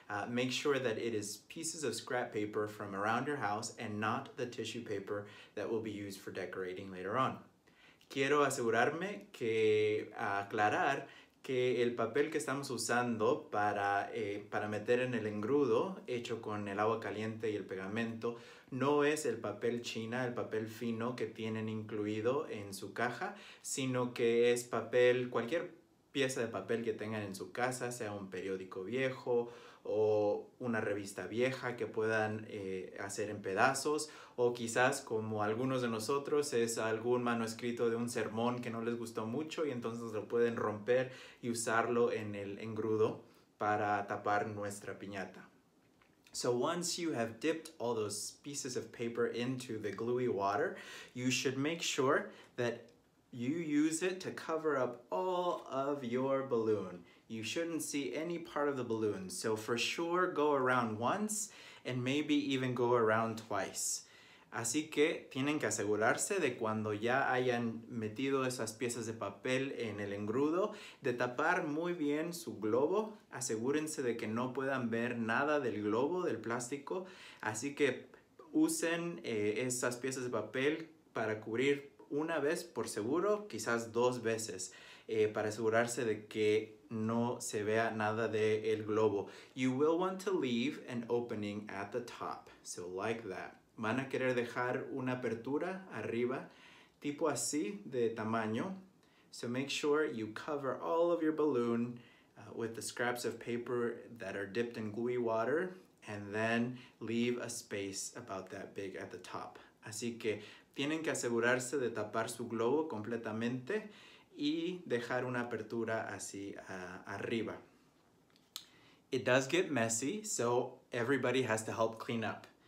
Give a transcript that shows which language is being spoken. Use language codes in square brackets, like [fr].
[en] Make sure that it is pieces of scrap paper from around your house and not the tissue paper that will be used for decorating later on. [es] Quiero asegurarme que aclarar que el papel que estamos usando para meter en el engrudo hecho con el agua caliente y el pegamento no es el papel china, el papel fino que tienen incluido en su caja, sino que es papel, cualquier pieza de papel que tengan en su casa, sea un periódico viejo o una revista vieja que puedan hacer en pedazos, o quizás como algunos de nosotros es algún manuscrito de un sermón que no les gustó mucho y entonces lo pueden romper y usarlo en el engrudo para tapar nuestra piñata. [en] So once you have dipped all those pieces of paper into the gluey water, you should make sure that you use it to cover up all of your balloon. You shouldn't see any part of the balloon. So for sure, go around once and maybe even go around twice. [es] Así que tienen que asegurarse de cuando ya hayan metido esas piezas de papel en el engrudo, de tapar muy bien su globo. Asegúrense de que no puedan ver nada del globo, del plástico. Así que usen esas piezas de papel para cubrir una vez por seguro, quizás dos veces, para asegurarse de que no se vea nada de el globo. [en] You will want to leave an opening at the top, so like that. [es] Van a querer dejar una apertura arriba, tipo así de tamaño. [en] So make sure you cover all of your balloon with the scraps of paper that are dipped in gluey water, and then leave a space about that big at the top. [es] Así que tienen que asegurarse de tapar su globo completamente y dejar una apertura así arriba. [en] It does get messy, so everybody has to help clean up.